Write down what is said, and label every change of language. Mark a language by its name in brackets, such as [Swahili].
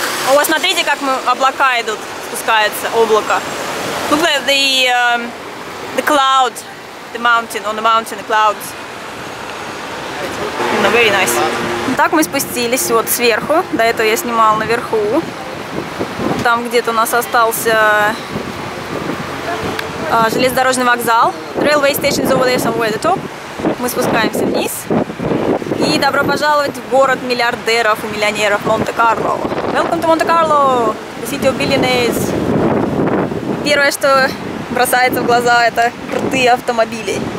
[Russian] О, смотрите, как мы облака идут, спускаются, облако. [English] Look at the cloud, the mountain, on the mountain, the clouds. No, very nice. [Russian] Так мы спустились вот сверху. До этого я снимала наверху. Там где-то у нас остался... железнодорожный вокзал. [English] Railway station is over there somewhere at the top. [Russian] Мы спускаемся вниз. И добро пожаловать в город миллиардеров и миллионеров Монте-Карло. [English] Welcome to Monte Carlo, the city of billionaires. [Russian] Первое, что бросается в глаза, это крутые автомобили.